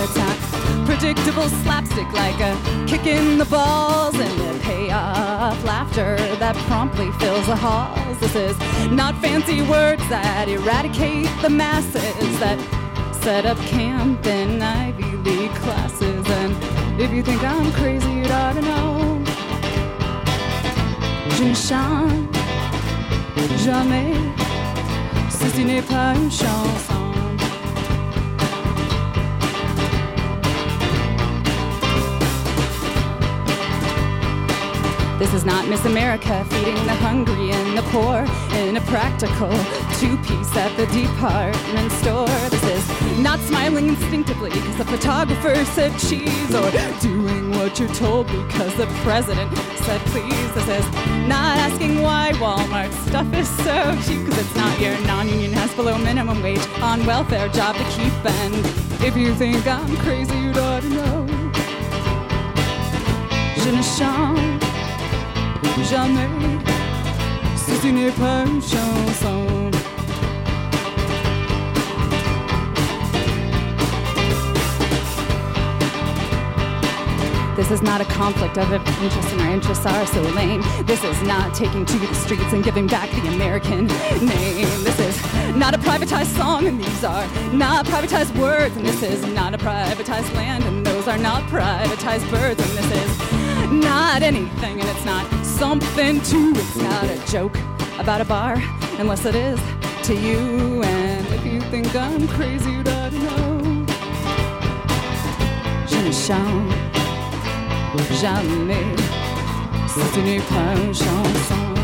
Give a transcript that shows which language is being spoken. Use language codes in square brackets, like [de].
[en] It's not predictable slapstick like a kick in the balls and a payoff laughter that promptly fills the halls. This is not fancy words that eradicate the masses that set up camp in Ivy League classes. And if you think I'm crazy, you'd ought to know. [fr] Je ne chante jamais si ce n'est pas une chanson. [en] This is not Miss America feeding the hungry and the poor in a practical two-piece at the department store. This is not smiling instinctively because the photographer said cheese, or doing what you're told because the president said please. This is not asking why Walmart stuff is so cheap because it's not your non-union house below minimum wage on welfare job to keep. And if you think I'm crazy, you'd ought to know. [fr] Je ne chante jamais si ce n'est pas une chanson. [en] This is not a conflict of if interests and our interests are so lame. This is not taking to the streets and giving back the American name. This is not a privatized song, and these are not privatized words. And this is not a privatized land, and those are not privatized birds. And this is not anything, and it's not something too. It's not a joke about a bar, unless it is to you. And if you think I'm crazy, you'd ought to know. [fr] Je ne chante jamais, c'est une chanson.